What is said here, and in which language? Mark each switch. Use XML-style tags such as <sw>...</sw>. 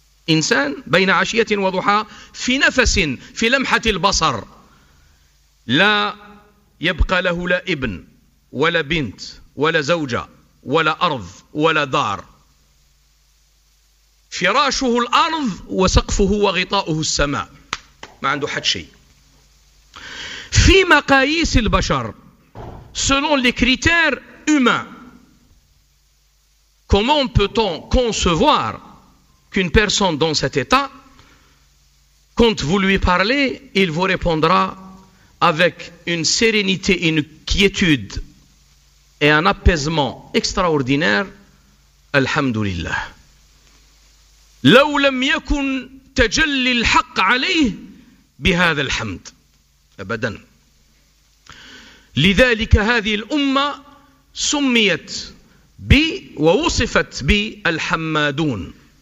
<ar>إنسان بين عشية وضحى في نفس في لمحة البصر لا يبقى له لا ابن ولا بنت ولا زوجة ولا أرض ولا دار، فراشه الأرض وسقفه وغطاؤه السماء، ما عنده حد شيء. في مقاييس البشر</ar> <fr>selon les critères humains, comment peut-on concevoir qu'une personne dans cet état, quand vous lui parlez, il vous répondra avec une sérénité, une quiétude et un apaisement extraordinaire: Alhamdulillah.</fr> <ar>لو لم يكن تجلي الحق عليه بهذا الحمد. أبدا. لذلك هذه الأمة سميت ووصفت بالحمادون.</ar>